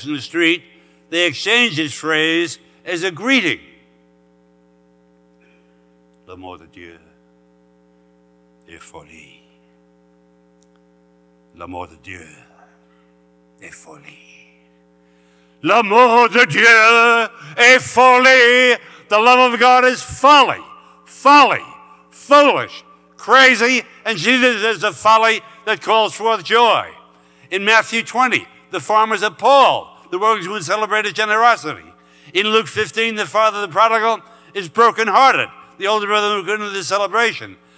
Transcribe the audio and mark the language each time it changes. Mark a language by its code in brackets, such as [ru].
[en] in the street, they exchange this phrase as a greeting. [fr] L'amour de Dieu est folie. L'amour de Dieu est folie. L'amour de Dieu est folie. [en] The love of God is folly, folly, foolish, crazy, and Jesus is the folly that calls forth joy. In Matthew 20, the farmers are Paul, the rogues who celebrated generosity. In Luke 15, the father of the prodigal is brokenhearted, the older brother who couldn't do the celebration.